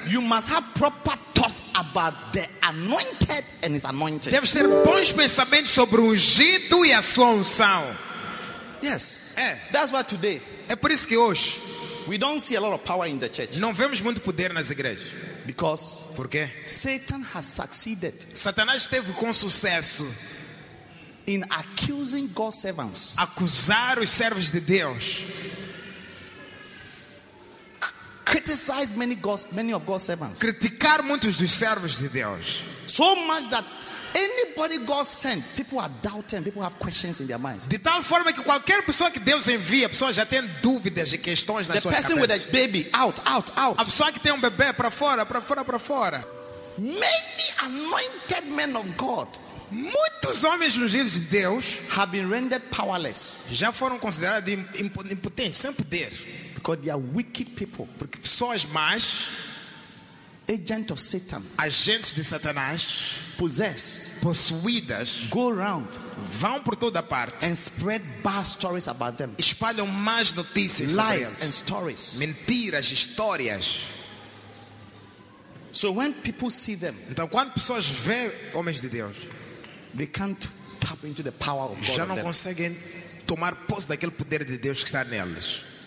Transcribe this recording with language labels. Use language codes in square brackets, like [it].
[en] you must have proper thoughts about the anointed and his anointing. [pt] Deves ter bons pensamentos sobre o ungido e a sua unção. [en] Yes. [pt] É. [en] That's why today. [pt] É por isso que hoje, [en] we don't see a lot of power in the church. [pt] Não vemos muito poder nas igrejas. [en] Because. [pt] Porque? [en] Satan has succeeded. [pt] Satanás esteve com sucesso. [en] In accusing God's servants. [pt] Acusar os servos de Deus. [en] Criticize many of God's servants. [pt] Criticar muitos dos servos de Deus. [en] So much that anybody God sent, people are doubting, people have questions in their minds. [pt] De tal forma que qualquer pessoa que Deus envia, pessoas já têm dúvidas e questões nas suas cabeças. [en] The person with a baby, out. [pt] A pessoa que tem bebê para fora. [en] Many anointed men of God. [pt] Muitos homens ungidos de Deus [en] have been rendered powerless. [pt] Já foram considerados impotentes, sem poder. [en] Because they are wicked people. [pt] Porque pessoas más, [en] agent of Satan, [pt] agentes de Satanás, possuídas, [en] go around, [pt] vão por toda parte, [en] and spread bad stories about them, [pt] espalham más notícias, [en] lies and stories, [pt] mentiras, histórias. [en] So when people see them, [pt] então quando pessoas veem homens de Deus, [en] they can't tap into the power of God. [pt] Já não conseguem tomar posse daquele poder de Deus que está neles.